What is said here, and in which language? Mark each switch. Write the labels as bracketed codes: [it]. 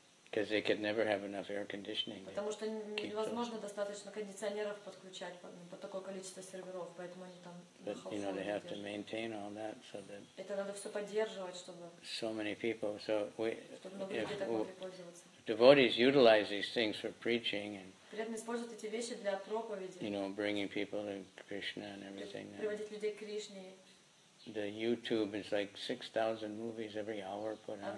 [en] Because they could never have enough air conditioning. [ru] Потому что невозможно достаточно кондиционеров подключать под такое количество серверов, поэтому они там. [en] But you know they have to maintain all that so that. [ru] Это надо все поддерживать, чтобы. [en] So many people, so we. If devotees utilize these things for preaching and. [ru] Преданные используют эти вещи для проповеди. [en] You know, bringing people to Krishna and everything. [ru] Приводить людей к Кришне. [en] The YouTube is like 6,000 movies every hour put on.